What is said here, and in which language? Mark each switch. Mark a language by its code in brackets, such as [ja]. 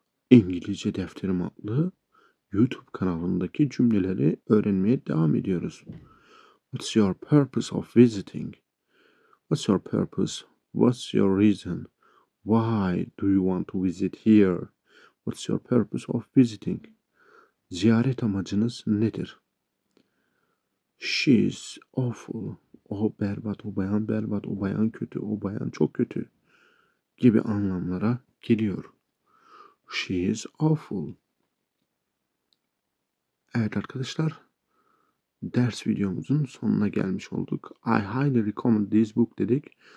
[tr] İngilizce Defterim adlı YouTube kanalındaki cümleleri öğrenmeye devam ediyoruz. [en] What's your purpose of visiting? What's your purpose? What's your reason? Why do you want to visit here? What's your purpose of visiting? [tr] Ziyaret amacınız nedir? [en] She's awful. [tr] O berbat, o bayan berbat, o bayan kötü, o bayan çok kötü gibi anlamlara geliyor. [en] She is awful. [tr] Evet arkadaşlar, ders videomuzun sonuna gelmiş olduk. [en] I highly recommend this book [tr] dedik.